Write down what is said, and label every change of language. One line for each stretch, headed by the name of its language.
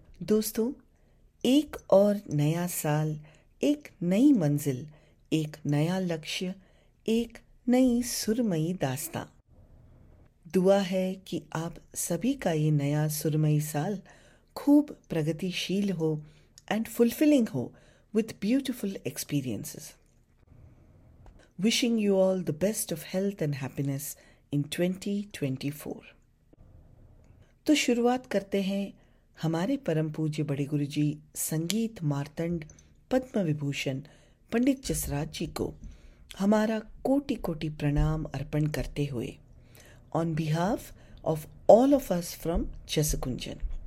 Hindi: दोस्तों, एक और नया साल, एक नई मंजिल, एक नया लक्ष्य, एक नई सुरमई दास्तां. दुआ है कि आप सभी का ये नया सुरमई साल खूब प्रगतिशील हो
English: and fulfilling
Hindi: हो
English: With beautiful experiences. wishing you all the best of health and happiness in 2024.
Hindi: तो शुरुआत करते हैं हमारे परम पूज्य बड़े गुरु जी संगीत मार्तंड पद्म विभूषण पंडित जसराज जी को हमारा कोटि कोटि प्रणाम अर्पण करते हुए
English: On behalf of all of us from Jaskunjan.